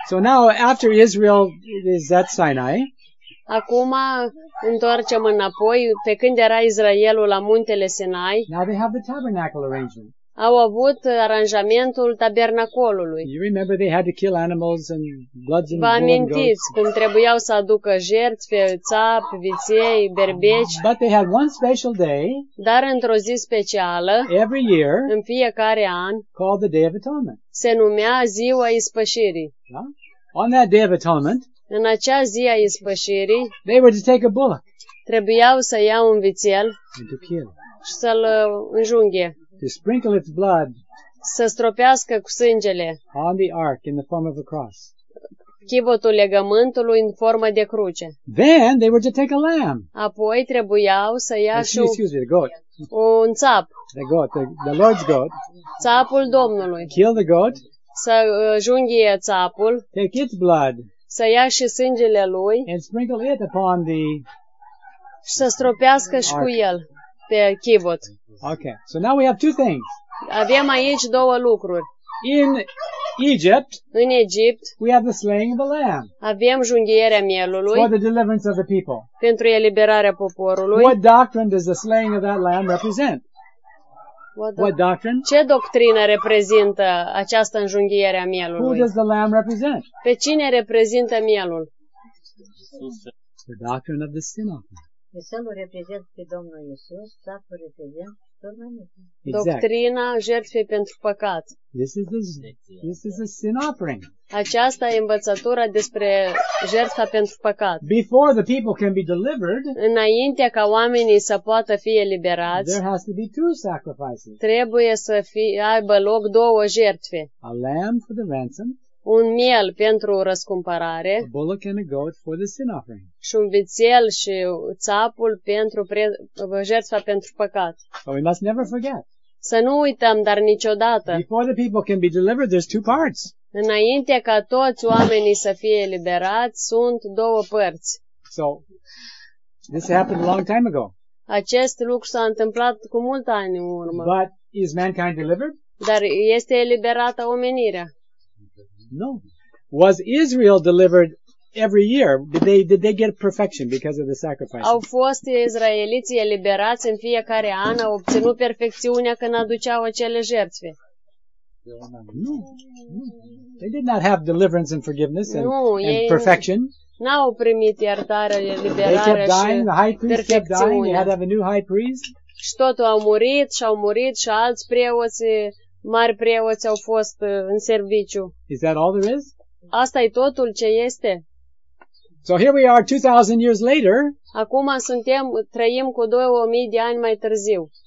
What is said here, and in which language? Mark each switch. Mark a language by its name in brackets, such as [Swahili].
[English] So now, after Israel is at Sinai, [Romanian] acum întoarcem înapoi, pe când era Israelul la muntele Sinai, [English] now they have the tabernacle arrangement. [Romanian] Au avut aranjamentul tabernacolului. [English] You remember they had to kill animals and bloods and [Romanian] vă amintiți când trebuiau să aducă jertfe, țapi, viței, berbeci. [English] But they had one special day, [Romanian] dar într-o zi specială, [English] every year, [Romanian] în fiecare an, [English] called the Day of Atonement. [Romanian] Se numea ziua ispășirii. [English] Yeah? On that Day of Atonement, [Romanian] în acea zi a ispășirii, [English] they were to take a bullock, [Romanian] trebuiau să ia un vițel [English] and to kill, [Romanian] și să-l înjunghe. [English] To sprinkle its blood, [Romanian] să stropească cu sângele, [English] on the ark in the form of a cross, [Romanian] chivotul legământului în formă de cruce. [English] Then they were to take a lamb. [Romanian] Apoi trebuiau să ia și un țap. [English] The goat, the Lord's goat. [Romanian] Țapul Domnului. [English] Kill the goat. [Romanian] Să junghie țapul. [English] Take its blood. [Romanian] Să ia și sângele lui. [English] And sprinkle it upon the. [Romanian] Și să stropească și cu el pe chivot. [English] Okay, so now we have two things. [Romanian] Avem aici două lucruri. [English] In Egypt, [Romanian] în Egipt, [English] we have the slaying of the lamb. [Romanian] Avem junghierea mielului. [English] For the deliverance of the people. [Romanian] Pentru eliberarea poporului. [English] What doctrine does the slaying of that lamb represent? What doctrine? [Romanian] Ce doctrină reprezintă această înjunghiere a mielului? [English] Who does the lamb represent? [Romanian] Pe cine reprezintă mielul? [English] The doctrine of the sin offering. [Romanian] Mielul reprezintă pe Domnul Iisus, sapul reprezintă doctrina jertfei pentru păcat. [English] This is a sin offering. [Romanian] Aceasta e învățătura despre jertfa pentru păcat. [English] Before the people can be delivered, [Romanian] înainte ca oamenii să poată fi eliberați, [English] there has to be two sacrifices. [Romanian] Trebuie să aibă loc două jertfe. [English] A lamb for the ransom, [Romanian] un miel pentru răscumpărare, [English] a bullock and a goat for the sin offering, [Romanian] și un vițel și țapul pentru jertfa pentru păcat. [English] So we must never forget. [Romanian] Să nu uităm, dar niciodată. [English] Before the people can be delivered, there's two parts. [Romanian] Înainte ca toți oamenii să fie eliberați, sunt două părți. [English] So, this happened a long time ago. [Romanian] Acest lucru s-a întâmplat cu mult ani în urmă. [English] But is mankind delivered? [Romanian] Dar este eliberată omenirea? [English] No. Was Israel delivered every year? Did they get perfection because of the sacrifice? [Romanian] Au fost israeliții eliberați în fiecare an, au obținut perfecțiunea când aduceau acele jertfe? [English] No. They did not have deliverance and forgiveness and perfection. [Romanian] N-au primit iertare, eliberare și perfecțiune. [English] The high priest kept dying. They had to have a new high priest. [Romanian] Și totul au murit și alți preoți. Mari preoți au fost în serviciu. [English] Is that all there is? [Romanian] Asta e totul ce este. [English] So here we are 2000 years later. [Romanian] Acum trăim cu 2000 de ani mai târziu.